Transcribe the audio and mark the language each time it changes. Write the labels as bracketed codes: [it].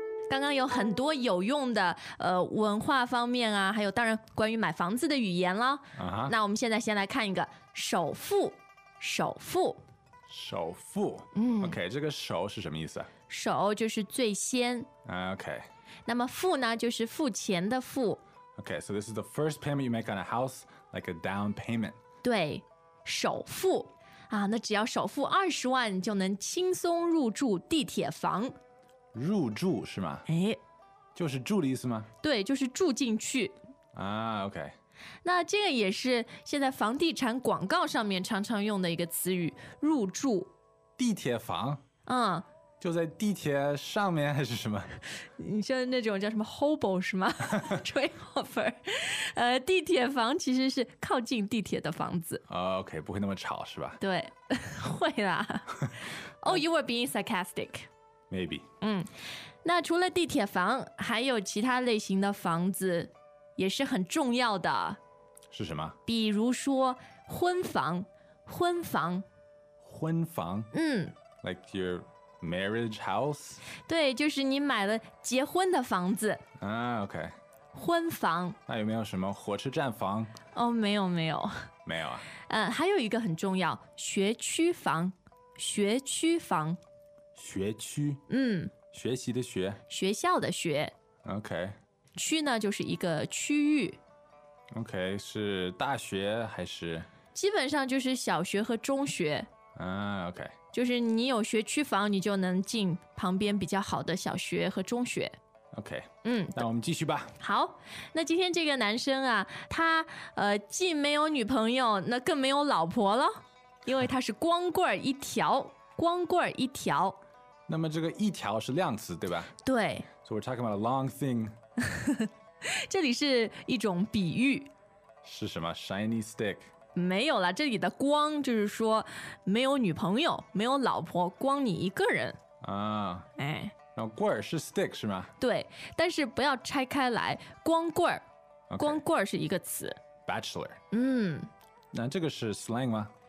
[zh] 刚刚有很多有用的文化方面啊，还有当然关于买房子的语言了。那我们现在先来看一个首付，首付，首付。 OK， 这个首是什么意思？首就是最先。 [en] OK， [zh] 那么付呢，就是付钱的付。 [en] Okay, so this is the first payment you make on a house, like a down payment. [zh] 对，首付啊，那只要首付20万就能轻松入住地铁房。入住是吗？哎，就是住的意思吗？对，就是住进去。 [en] 啊 ，OK。 [zh] 那这个也是现在房地产广告上面常常用的一个词语，入住。地铁房。嗯。就在地铁上面还是什么？你像那种叫什么 hobo 是吗？吹offer。地铁房其实是靠近地铁的房子。 OK， 不会那么吵是吧？对，会啦。 [en] Oh, you were being sarcastic. Maybe. [zh] 那除了地铁房，还有其他类型的房子也是很重要的。是什么？比如说婚房，婚房，婚房。嗯 [en] ，like your Marriage house? [zh] 对，就是你买了结婚的房子。 [en] OK。 [zh] 婚房。那有没有什么火车站房？哦，没有没有。没有啊。还有一个很重要，学区房。学区房。学区。嗯。学习的学。学校的学。 [en] OK。 [zh] 区呢，就是一个区域。 OK， 是大学还是？基本上就是小学和中学。 [en] OK。 [zh] 就是你有学区房，你就能进旁边比较好的小学和中学。 [en] OK，嗯， [zh] 那我们继续吧。好，那今天这个男生啊，他既没有女朋友，那更没有老婆了，因为他是光棍一条，光棍一条。那么这个一条是量词，对吧？对。 [en] So we're talking about a long thing. [zh] 这里是一种比喻。是什么 ？ [en] Shiny stick。 [zh] 没有了，这里的光就是说没有女朋友，没有老婆，光你一个人。啊。哎。然后棍儿是 stick 是吗？对，但是不要拆开来，光棍儿， [en] okay. [zh] 光棍儿是一个词。 [en] Bachelor。嗯。 [zh] 那这个是 slang 吗？